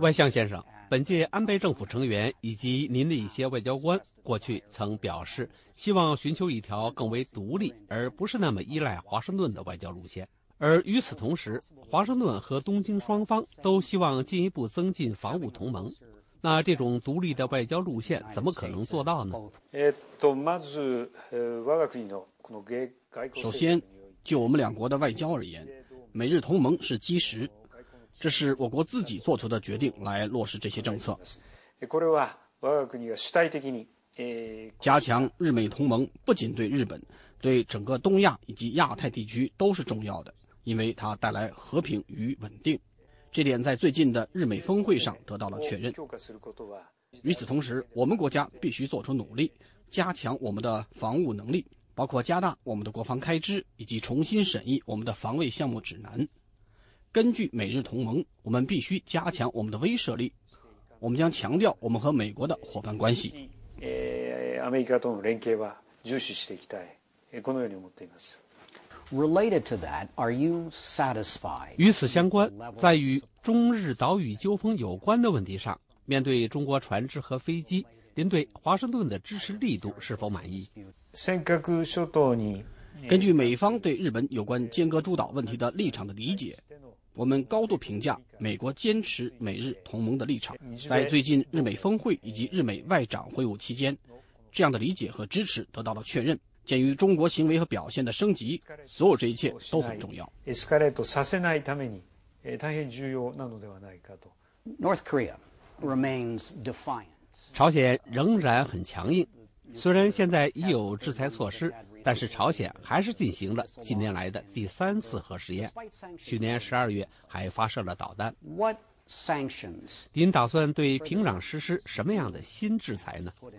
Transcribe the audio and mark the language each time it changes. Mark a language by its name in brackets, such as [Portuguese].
[Chinese] 外相先生，本届安倍政府成员以及您的一些外交官过去曾表示希望寻求一条更为独立而不是那么依赖华盛顿的外交路线，而与此同时华盛顿和东京双方都希望进一步增进防务同盟，那这种独立的外交路线怎么可能做到呢？ [Japanese] まず我が国のこの外交政策。 [Chinese] 首先就我们两国的外交而言，美日同盟是基石，这是我国自己做出的决定来落实这些政策。 [Japanese] これは我が国が主体的に [Chinese] 加强日美同盟，不仅对日本，对整个东亚以及亚太地区都是重要的，因为它带来和平与稳定，这点在最近的日美峰会上得到了确认。与此同时，我们国家必须做出努力，加强我们的防务能力，包括加大我们的国防开支以及重新审议我们的防卫项目指南。根据美日同盟，我们必须加强我们的威慑力，我们将强调我们和美国的伙伴关系。 [Japanese] アメリカとの連携は重視していきたい、このように思っています。 [English] Related to that, are you satisfied? [Chinese] 与此相关，在与中日岛屿纠纷有关的问题上，面对中国船只和飞机，您对华盛顿的支持力度是否满意？ [Japanese] 尖阁諸島に [Chinese] 根据美方对日本有关尖阁诸岛问题的立场的理解，我们高度评价美国坚持美日同盟的立场。在最近日美峰会以及日美外长会晤期间，这样的理解和支持得到了确认。鉴于中国行为和表现的升级，所有这一切都很重要。 [Japanese] エスカレートさせないために大変重要なのではないかと。 [English] North Korea remains defiant。 [Chinese] 朝鮮仍然很强硬，虽然现在已有制裁措施，但是朝鲜还是进行了近年来的第三次核试验，去年12月还发射了导弹。 [English] What sanctions？ [Chinese] 您打算对平壤实施什么样的新制裁呢？